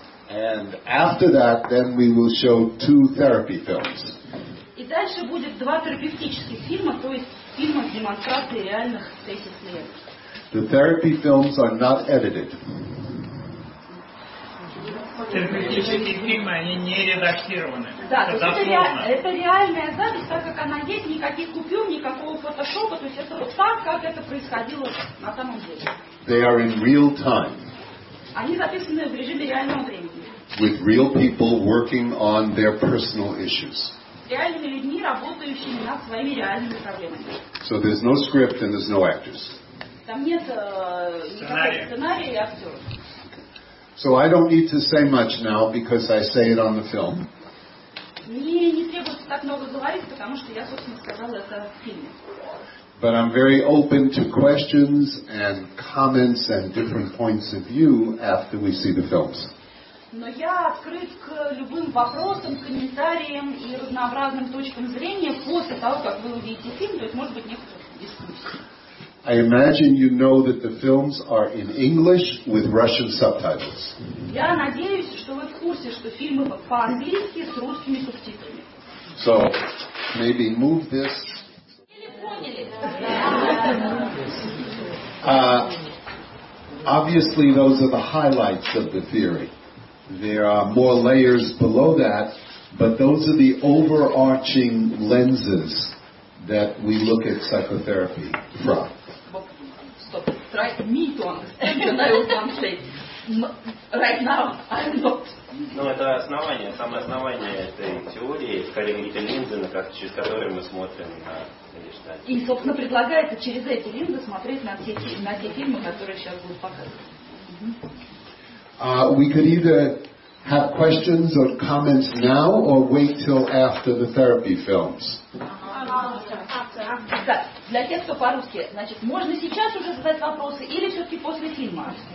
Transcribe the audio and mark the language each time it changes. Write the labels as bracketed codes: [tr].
[en] And after that, then we will show 2 therapy films. [ru] И дальше будет 2 терапевтических фильма, то есть фильма с демонстрацией реальных сессий с клиентом. [en] The therapy films are not edited. [ru] Терапевтические фильмы, они не редактированы. Да, это реальная запись, так как она есть, никаких купюр, никакого фотошопа, то есть это вот так, как это происходило на самом деле. [en] They are in real time. [ru] Они записаны в режиме реального времени. [en] With real people working on their personal issues. [ru] Реальными людьми, работающими над своими реальными проблемами. [en] So there's no script and there's no actors. [ru] Там нет никакого сценария и актеров. [en] So I don't need to say much now because I say it on the film. [ru] Мне не требуется так много говорить, потому что я, собственно, сказала это в фильме. [en] But I'm very open to questions and comments and different points of view after we see the films. [ru] Но я открыт к любым вопросам, комментариям и разнообразным точкам зрения после того, как вы увидите фильм, то есть может быть некоторая дискуссия. [en] I imagine you know that the films are in English with Russian subtitles. [ru] Я надеюсь, что вы в курсе, что фильмы по-английски с русскими субтитрами. [en] So, maybe move this. [ru] Или поняли. [en] Obviously, those are the highlights of the theory. There are more layers below that, but those are the overarching lenses that we look at psychotherapy from. Stop. Try me to understand. I will translate. Right now, I'm not. [ru] Ну, это основание, самое основание этой теории, скорее, эти линзы, через которые мы смотрим на гештальт. И, собственно, предлагается через эти линзы смотреть на те фильмы, которые сейчас будут показывать. [en] We could either have questions or comments now or wait till after the therapy films. [ru] Для тех, кто по-русски, значит, можно сейчас уже задать вопросы или все-таки после фильма?